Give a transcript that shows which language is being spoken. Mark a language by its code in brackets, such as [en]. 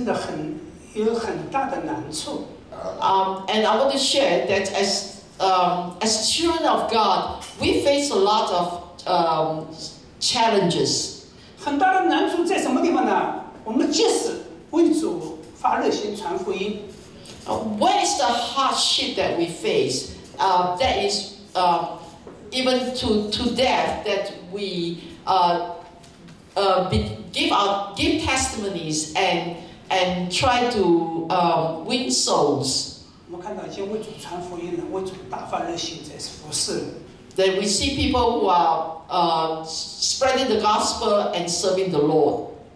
[zh] 讲到这里呢，我要讲，我们做神的儿女啊，真的很有很大的难处。 [en] And I want to share that as children of God, we face a lot of challenges. [zh] 很大的难处在什么地方呢？我们即使为主发热心传福音。 [en] What is the hardship that we face? That is even to death that we give testimonies and try to win souls. That we see people who are spreading the gospel and serving the Lord.